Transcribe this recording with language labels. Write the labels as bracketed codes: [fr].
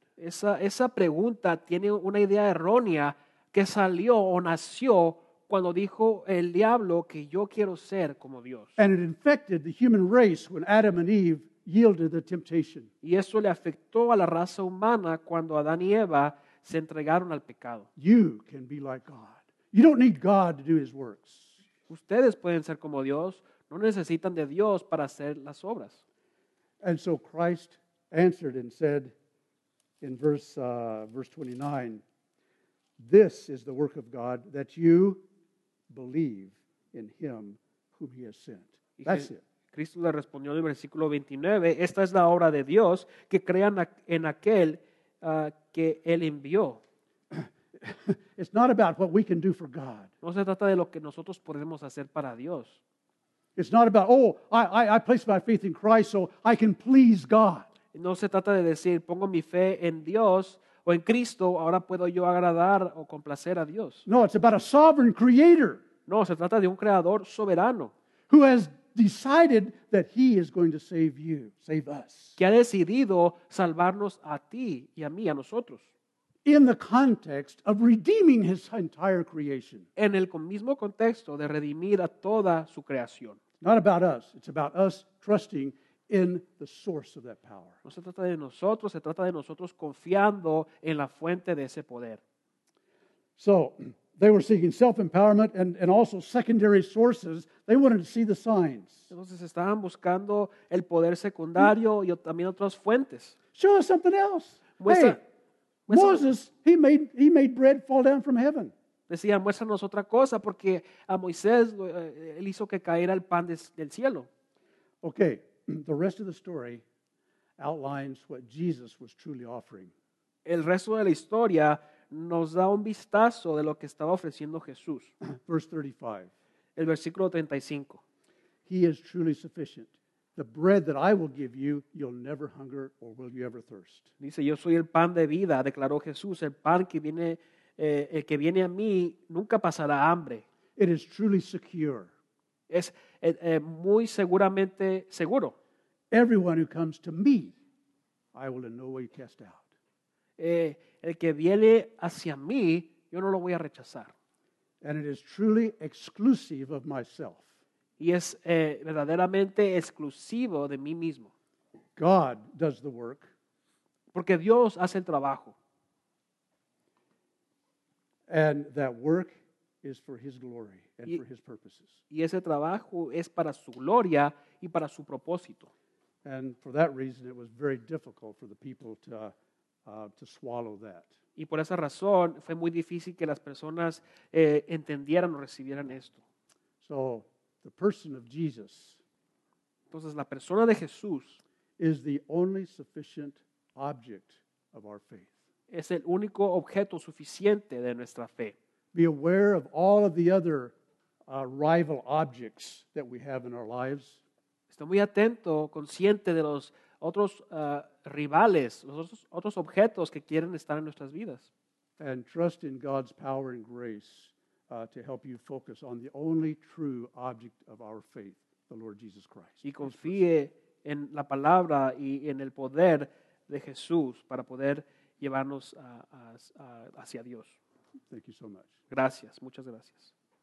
[es] Esa pregunta tiene una idea errónea que salió o nació cuando dijo el diablo que yo quiero ser como Dios. [en] And it infected the human race when Adam and Eve yielded the temptation. [es] Y eso le afectó a la raza humana cuando Adán y Eva se entregaron al pecado. [en] You can be like God. You don't need God to do his works. [es] Ustedes pueden ser como Dios. No necesitan de Dios para hacer las obras. [en] And so Christ answered and said, in verse 29, this is the work of God, that you believe in him whom he has sent. That's it. [es] Cristo le respondió en el versículo 29, esta es la obra de Dios, que crean en aquel que él envió. [en] It's not about what we can do for God. [es] No se trata de lo que nosotros podemos hacer para Dios. [en] It's not about, oh, I place my faith in Christ so I can please God. [es] No se trata de decir, pongo mi fe en Dios o en Cristo, ahora puedo yo agradar o complacer a Dios. [en] No, it's about a sovereign creator. [es] No, se trata de un creador soberano. [en] Who has decided that he is going to save you, save us. [es] Que ha decidido salvarnos a ti y a mí, a nosotros. [en] In the context of redeeming his entire creation. [es] En el mismo contexto de redimir a toda su creación. [en] Not about us, it's about us trusting in the source of that power. [es] No se trata de nosotros, se trata de nosotros confiando en la fuente de ese poder. [en] So, they were seeking self-empowerment and also secondary sources. They wanted to see the signs. [es] Entonces estaban buscando el poder secundario y también otras fuentes. [en] Show us something else. Hey, Moses, he made bread fall down from heaven. [es] Decían, muéstranos otra cosa porque a Moisés él hizo que caiera el pan del cielo. [en] Okay. The rest of the story outlines what Jesus was truly offering. [es] El resto de la historia nos da un vistazo de lo que estaba ofreciendo Jesús. [en] Verse 35. [es] El versículo 35. [en] He is truly sufficient. The bread that I will give you, you'll never hunger or will you ever thirst. [es] Dice, yo soy el pan de vida, declaró Jesús. El pan que viene, el que viene a mí, nunca pasará hambre. [en] It is truly secure. [es] Es muy seguramente seguro. [en] Everyone who comes to me, I will in no way cast out. [es] El que viene hacia mí, yo no lo voy a rechazar. [en] And it is truly exclusive of myself. [es] Y es verdaderamente exclusivo de mí mismo. [en] God does the work. [es] Porque Dios hace el trabajo. [en] And that work is for his glory and for his purposes. [es] Y ese trabajo es para su gloria y para su propósito. [en] And for that reason it was very difficult for the people to swallow that. [es] Y por esa razón fue muy difícil que las personas entendieran o recibieran esto. [en] So the person of Jesus. [es] Entonces la persona de Jesús [en] is the only sufficient object of our faith. [es] Es el único objeto suficiente de nuestra fe. [en] Be aware of all of the other rival objects that we have in our lives. [es] Estoy muy atento, consciente de los otros rivales, los otros objetos que quieren estar en nuestras vidas. [en] And trust in God's power and grace to help you focus on the only true object of our faith, the Lord Jesus Christ. [es] Y confíe en la palabra y en el poder de Jesús para poder llevarnos hacia Dios. [en] Thank you so much. [es] Gracias, muchas gracias.